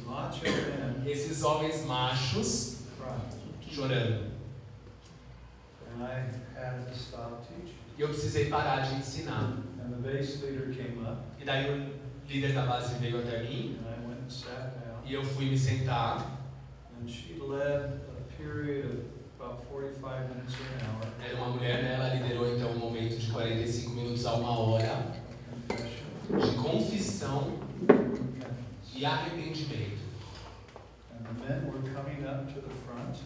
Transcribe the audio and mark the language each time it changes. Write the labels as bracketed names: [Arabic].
[English] Macho men. [Portuguese] Esses homens machos. Chorando. [English] And I had to stop teaching. [Portuguese] E eu precisei parar de ensinar. [English] And the base leader came up. [Portuguese] E daí o líder da base veio até mim. [English] And I went and sat down. [Portuguese] E eu fui me sentar. [English] And she led a period of about 45 minutes to an hour. [Portuguese] Era uma mulher, né? Ela liderou então um momento de 45 minutos a uma hora de confissão e arrependimento. [English] The men were coming up to the front,